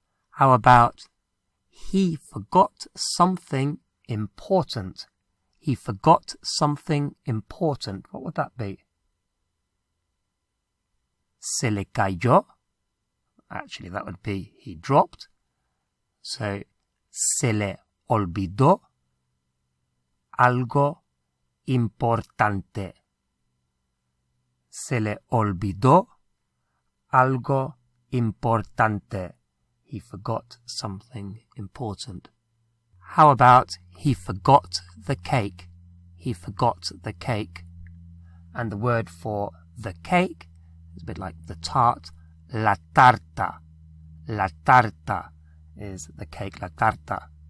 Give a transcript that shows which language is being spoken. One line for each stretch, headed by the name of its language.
English: How about, he forgot something important? He forgot something important. What would that be?
Spanish: Se le cayó.
English: Actually, that would be he dropped.
Spanish: So, se le olvidó algo importante. Se le olvidó algo importante.
English: he forgot something important. How about he forgot the cake? He forgot the cake. And the word for the cake is a bit like the tart, la tarta.
Spanish: La tarta
English: is the cake,
Spanish: la tarta.